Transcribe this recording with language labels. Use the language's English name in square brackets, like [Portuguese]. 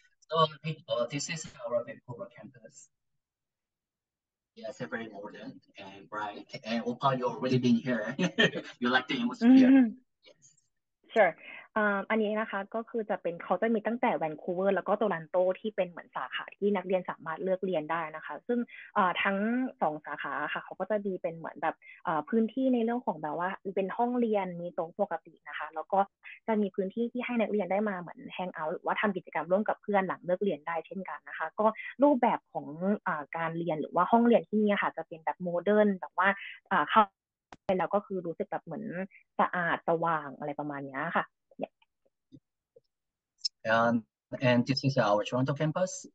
[English] So people, this is our Vancouver campus. Yes, yeah, very modern and bright. And Opa, you've already been here. You like the atmosphere. Yes. Sure. [Thai] อันนี้นะคะก็คือจะเป็นเขาจะมีตั้งแต่แวนคูเวอร์แล้วก็โตรอนโตที่เป็นเหมือนสาขาที่นักเรียนสามารถเลือกเรียนได้นะคะซึ่งทั้งสองสาขาค่ะเขาก็จะมีเป็นเหมือนแบบพื้นที่ในเรื่องของแบบว่าเป็นห้องเรียนมีโต๊ะปกตินะคะแล้วก็จะมีพื้นที่ที่ให้นักเรียนได้มาเหมือนแฮงเอาท์หรือว่าทํากิจกรรมร่วมกับเพื่อนหลังเลิกเรียนได้เช่นกันนะคะก็รูปแบบของการเรียนหรือว่าห้องเรียนที่นี่ค่ะจะเป็นแบบโมเดิร์นแบบว่าเข้าไปแล้วก็คือรู้สึกแบบเหมือนสะอาดสว่างอะไรประมาณนี้ค่ะ [English] And this is our Toronto campus.